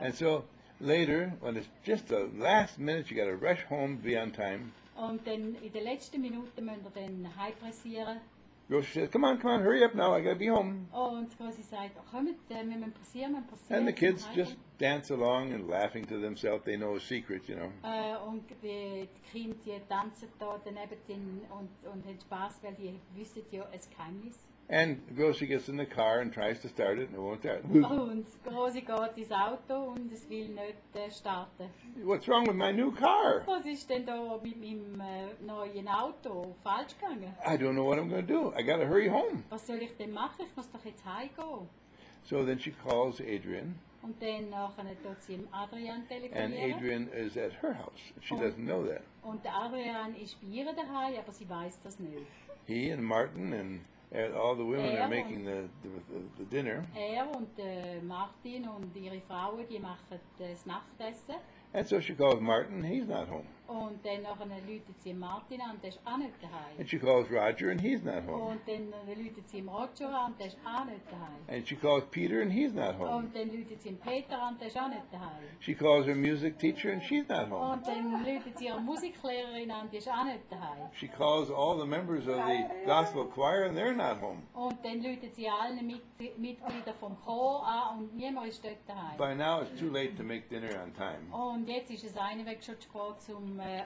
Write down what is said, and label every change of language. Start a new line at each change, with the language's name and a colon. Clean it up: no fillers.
English: And so later, when it's just the last minute, you got to rush home, be on time.
German: Und dann in den letzten Minuten müssen wir dann heim pressieren.
English: Yoshi says, come on, hurry up now, I gotta be home.
German: Oh, und Yoshi sagt, kommt, wir müssen passieren, wir passieren.
English: And the kids just dance along and laughing to themselves, they know a secret, you know.
German: Und die Kinder, die tanzen da daneben und haben Spaß, weil die wissen ja ein Geheimnis.
English: And Yoshi gets in the car and tries to start it, and it won't start.
German: Und Yoshi geht ins Auto und es will nicht starten.
English: What's wrong with my new car?
German: Was ist denn da mit meinem neuen Auto falsch gegangen?
English: I don't know what I'm going to do. I got to hurry home.
German: Was soll ich denn machen? Ich muss doch jetzt heimgehen.
English: So then she calls Adrian.
German: Und dann nachher tut sie Adrian telefonieren.
English: And Adrian is at her house. She doesn't know that.
German: Und Adrian ist bei ihr daheim, aber sie weiß das nicht.
English: He and Martin and all the women are making the dinner.
German: Er und Martin und ihre Frauen, die machen das Nachtessen.
English: And so she calls Martin, he's not home.
German: Und dann ruft sie Martin an, der ist auch nicht daheim.
English: And she calls Roger and he's not home.
German: Und dann ruft sie Roger an, der ist auch nicht daheim.
English: And she calls Peter and he's not home.
German: Und dann ruft sie Peter an, der ist auch nicht daheim.
English: She calls her music teacher and she's not home.
German: Und dann ruft sie ihre Musiklehrerin an, die ist auch nicht daheim.
English: She calls all the members of the gospel choir and they're not home.
German: Und dann ruft sie allen Mitglieder vom Chor an und niemand ist dort daheim.
English: By now it's too late to make dinner on time.
German: Und jetzt ist es eine Weg schon spät zum